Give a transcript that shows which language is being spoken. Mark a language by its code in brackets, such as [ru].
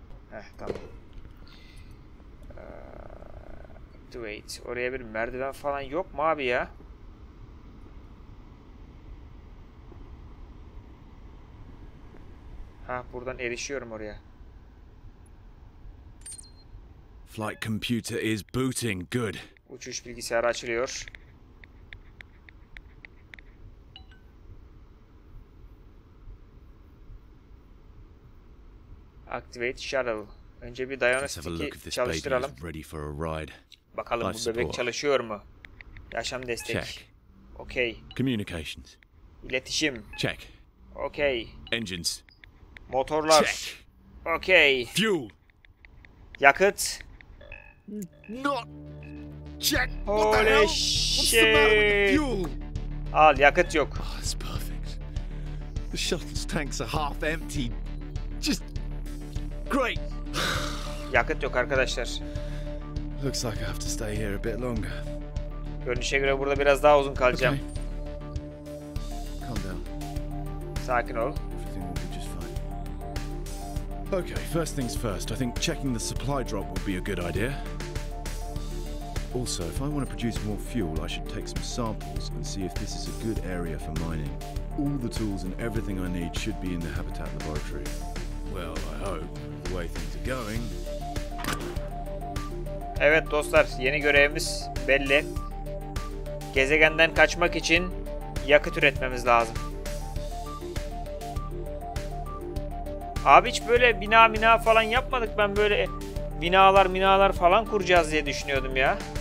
[tr] Heh, tamam. [en] Wait. [tr] Oraya bir merdiven falan yok mu abi ya? Ha, buradan erişiyorum oraya. [en] Flight computer is booting. Good. [tr] Uçuş bilgisayarı açılıyor. [en] Activate shuttle. [tr] Önce bir diagnostiki çalıştıralım. Bakalım bu bebek çalışıyor mu? Yaşam destek. [en] Check. Okay. Communications. [tr] İletişim. [en] Check. Okay. Engines. [tr] Motorlar. [en] Check. Okay. Fuel. [tr] Yakıt. [en] Not. Check. Holy shit. [tr] Al, yakıt yok. [en] Oh, it's perfect. The shuttle's tanks are half empty. Just great. [tr] Yakıt yok arkadaşlar. [en] Looks like I have to stay here a bit longer. [tr] Görünüşe göre burada biraz daha uzun kalacağım. [en] Okay. Calm down. [tr] Sakin ol. [en] Everything will be just fine. Okay, first things first. I think checking the supply drop would be a good idea. Also, if I want to produce more fuel, I should take some samples and see if this is a good area for mining. All the tools and everything I need should be in the habitat laboratory. Well, I hope. The way things are going. [tr] Evet dostlar, yeni görevimiz belli. Gezegenden kaçmak için yakıt üretmemiz lazım. Abi hiç böyle bina mina falan yapmadık. Ben böyle binalar minalar falan kuracağız diye düşünüyordum ya.